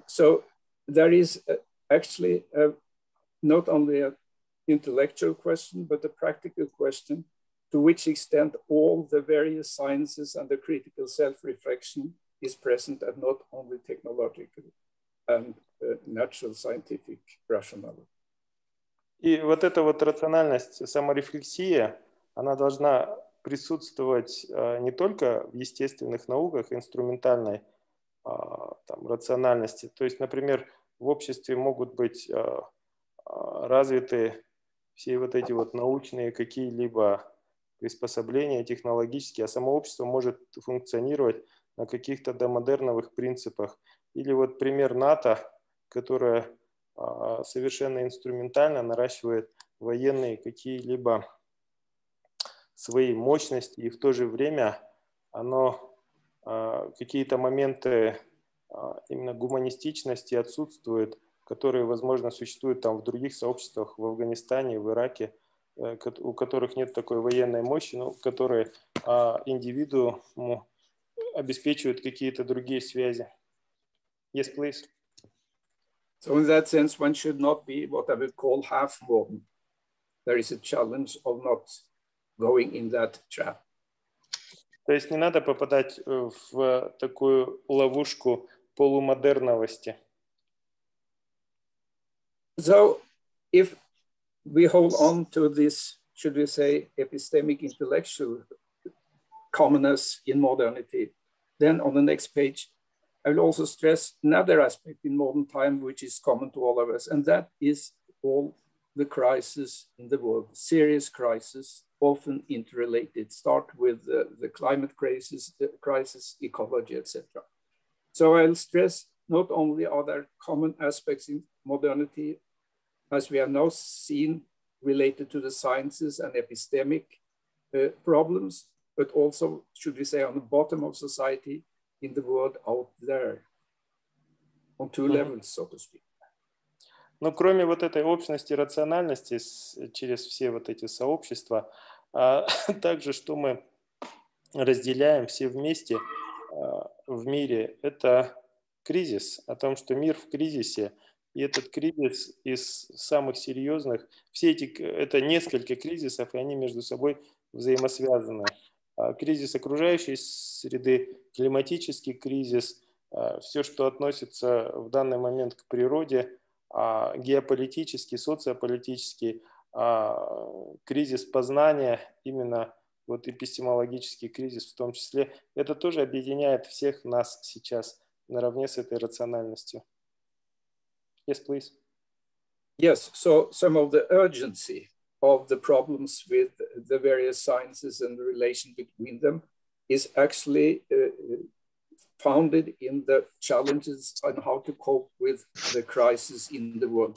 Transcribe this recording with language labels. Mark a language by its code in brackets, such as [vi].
[en] So there is actually a, not only an intellectual question, but a practical question, to which extent all the various sciences and the critical self-reflection is present and not only technological and natural scientific rationality. [ru] И вот эта вот рациональность, саморефлексия, она должна присутствовать не только в естественных науках, инструментальной там, рациональности. То есть, например, в обществе могут быть развиты все вот эти вот научные какие-либо приспособления технологические, а само общество может функционировать на каких-то домодерновых принципах. Или вот пример НАТО, которое совершенно инструментально наращивает военные какие-либо свои мощности, и в то же время оно какие-то моменты именно гуманистичности отсутствуют, которые, возможно, существуют там в других сообществах, в Афганистане, в Ираке, у которых нет такой военной мощи, но которые индивидууму обеспечивают какие-то другие связи. [en] Yes, please. So in that sense, one should not be what I would call half-modern. There is a challenge of not going in that trap. [ru] То есть не надо попадать в такую ловушку полумодерновости. [en] So, if we hold on to this, should we say, epistemic intellectual commonness in modernity, then on the next page, I will also stress another aspect in modern time, which is common to all of us, and that is all the crises in the world, serious crises, often interrelated, start with the climate crisis, ecology, etc. So I'll stress not only are there common aspects in modernity, as we have now seen, related to the sciences and epistemic problems, but also, should we say, on the bottom of society, in the world out there, on two levels, so to speak. [ru] Ну, кроме вот этой общности рациональности через все вот эти сообщества, а также, что мы разделяем все вместе в мире, это кризис, о том, что мир в кризисе, И этот кризис из самых серьезных, все эти, это несколько кризисов, и они между собой взаимосвязаны. Кризис окружающей среды, климатический кризис, все, что относится в данный момент к природе, геополитический, социополитический, кризис познания, именно вот эпистемологический кризис в том числе, это тоже объединяет всех нас сейчас наравне с этой рациональностью. [en] Yes, please. Yes, so some of the urgency of the problems with the various sciences and the relation between them is actually founded in the challenges on how to cope with the crisis in the world.